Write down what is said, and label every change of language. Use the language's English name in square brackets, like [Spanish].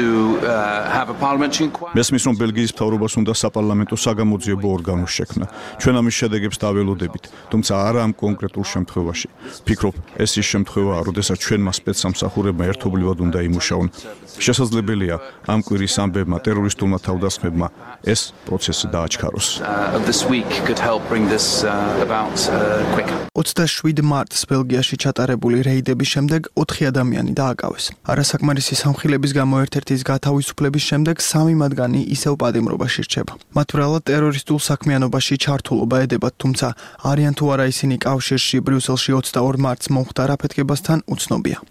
[Georgian] მესმის, რომ ბელგიის მთავრობას უნდა საპარლამენტო საგამოძიებო ორგანოს შექმნა. ჩვენ ამის შედეგებს დაველოდებით, თუმცა არა ამ კონკრეტულ შემთხვევაში. ფიქრობ, ეს ის შემთხვევაა, როდესაც ჩვენმა სპეცსამსახურებმა ერთობლივად უნდა იმუშაონ. შესაძლებელია, ამ კვირის ამბებმა ტერორისტულმა თავდასხმებმა ეს პროცესი დააჩქაროს. [English] This week could help bring this about quicker. [Georgian] 27 მარტს ბელგიაში ჩატარებული რეიდების შემდეგ 4 ადამიანი დააკავეს. არასაკმარისი სამხილების გამო ერთ-ერთის გათავისუფლების შემდეგ სამი მათგანი ისევ პატიმრობაში რჩება. მათ ვრალად ტერორისტულ საქმიანობაში ჩართულობა ედებათ, თუმცა არიან თუ არა ისინი კავშირში ბრიუსელში 22 მარტს მომხდარ აფეთქებასთან უცნობია.